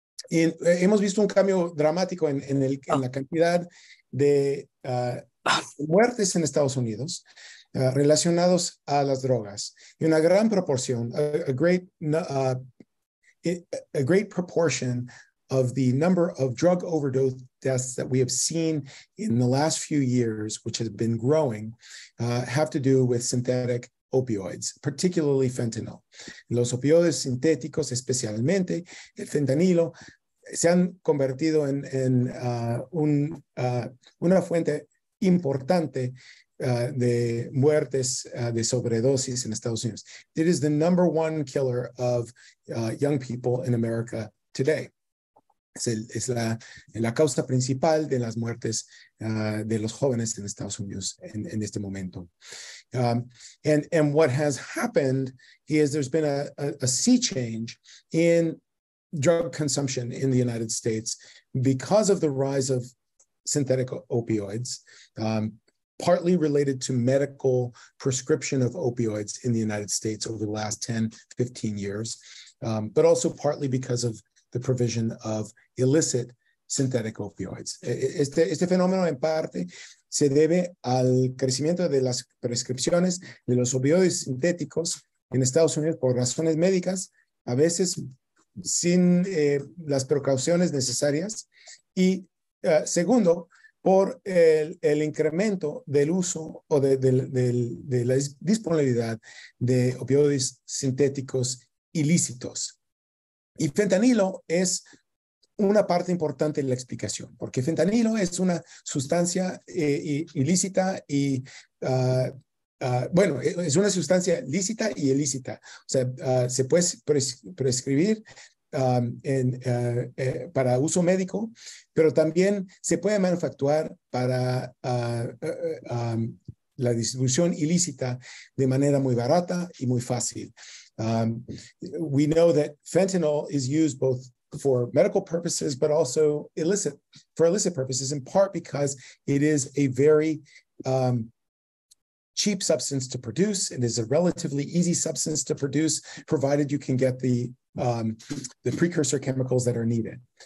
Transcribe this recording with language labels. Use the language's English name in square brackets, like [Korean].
[Spanish] Hemos visto un cambio dramático en la cantidad de muertes en Estados Unidos relacionados a las drogas. Y una gran proporción, [English] a great proportion of the number of drug overdose deaths that we have seen in the last few years, which has been growing, have to do with synthetic opioids, particularly fentanyl. [Spanish] Los opioides sintéticos, especialmente el fentanilo, se han convertido en una fuente importante de muertes de sobredosis en Estados Unidos. [English] It is the number one killer of young people in America today. [Spanish] Es la causa principal de las muertes de los jóvenes en Estados Unidos en este momento. [English] And what has happened is there's been a sea change in drug consumption in the United States because of the rise of synthetic opioids, partly related to medical prescription of opioids in the United States over the last 10, 15 years, but also partly because of the provision of illicit synthetic opioids. [Spanish] Este fenómeno en parte se debe al crecimiento de las prescripciones de los opioides sintéticos en Estados Unidos por razones médicas, a veces sin las precauciones necesarias, y segundo, por el incremento del uso o de la disponibilidad de opioides sintéticos ilícitos. Y fentanilo es una parte importante de la explicación, porque fentanilo es una sustancia ilícita y, bueno, es una sustancia lícita y ilícita. O sea, se puede prescribir para uso médico, pero también se puede manufacturar para la distribución ilícita de manera muy barata y muy fácil. [English] We know that fentanyl is used both for medical purposes, but also illicit purposes, in part because it is a very cheap substance to produce. It is a relatively easy substance to produce, provided you can get the precursor chemicals that are needed.